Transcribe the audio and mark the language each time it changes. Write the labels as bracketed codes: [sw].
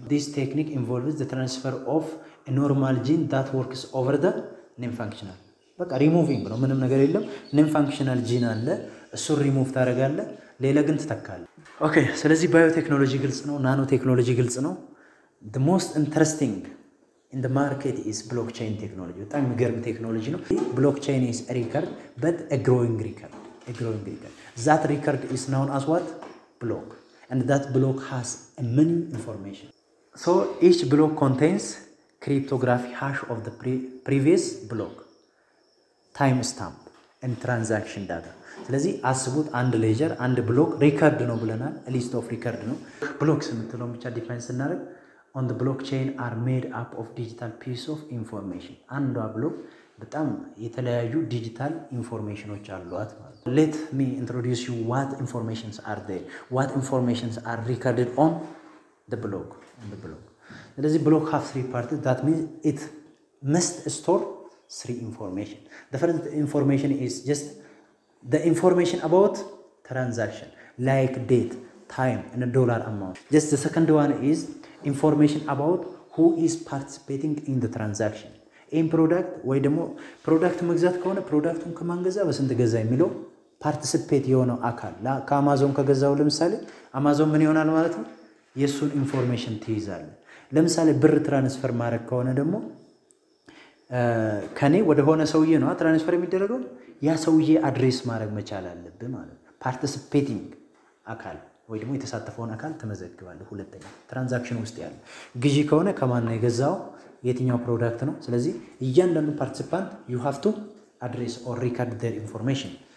[en] this technique involves the transfer of a normal gene that works over the non functional [am] በቃ ሪሙቪንግ ነው። ምንም ነገር የለም። ኔም ፋንክሽናል ጂን አለ እሱ ሪሙቭ ታደርጋለህ ሌላ ግን ትተካለህ። ኦኬ ስለዚህ ባዮቴክኖሎጂ ግልጽ ነው። ናኖ ቴክኖሎጂ ግልጽ ነው። [en] the most interesting in the market is blockchain technology. [am] በጣም የሚገርም ቴክኖሎጂ ነው። [en] blockchain is a record but a growing record. that record is known as what? block. and that block has many information. so each block contains cryptography hash of the previous block. timestamp and transaction data. [am] ስለዚህ አስቡት አንድ ሌጀር አንድ ብሎክ ሪከርድ ነው ብለናል። [en] a list of record [am] ነው። ብሎክ ስንትለው ብቻ ዲፋይን ስናደርግ [en] on the blockchain are made up of digital pieces of information. [am] አንዷ ብሎክ በጣም የተለያዩ ዲጂታል ኢንፎርሜሽኖች አሏት ማለት ነው። [en] let me introduce you what informations are there. what informations are recorded on the block. ስለዚህ ብሎክ have three parts. that means it must store three information. the first information is just the information about transaction like date, time and a dollar amount. just the second one is information about who is participating in the transaction. [am] in product ወይ ደግሞ product መግዛት ከሆነ productን ከማን ገዛ በስንት ገዛ የሚለው participate የሆነው አካል ላ ከአማዞን ከገዛው ለምሳሌ አማዞን ምን ይሆናል ማለት ነው? የሱን information ትይዛለ። ለምሳሌ ብር transfer ማድረግ ከሆነ ደግሞ ከኔ ወደ ሆነ ሰውዬ ነው ትራንስፈር የሚደረገው። ያ ሰውዬ አድሬስ ማድረግ መቻል አለበት ማለት ነው። ፓርቲሲፔቲንግ አካል ወይ ደግሞ የተሳተፈው አካል ተመዘግባለ። ሁለተኛ ትራንዛክሽን ውስጥ ያለ ግዢ ከሆነ ከማን ነው የገዛው የትኛው ፕሮዳክት ነው። ስለዚህ እያንዳንዱ ፓርቲሲፓንት [en] ዩ ሃቭ ቱ አድሬስ ኦር ሪከርድ their ኢንፎርሜሽን።